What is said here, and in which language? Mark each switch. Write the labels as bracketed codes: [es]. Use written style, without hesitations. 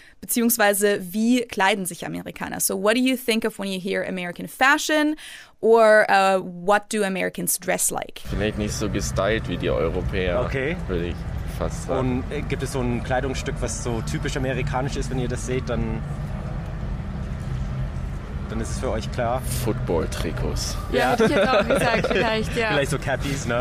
[de] Beziehungsweise, wie kleiden sich Amerikaner? [en] So what do you think of when you hear American fashion, or what do Americans dress like? [de] Vielleicht nicht so gestylt wie die Europäer, okay. würde ich fast sagen. Und gibt es so ein Kleidungsstück, was so typisch amerikanisch ist, wenn ihr das seht, dann ist es für euch klar? Football-Trikots. Ja, hätte ich jetzt auch gesagt, vielleicht, ja. Vielleicht so Cappies, ne?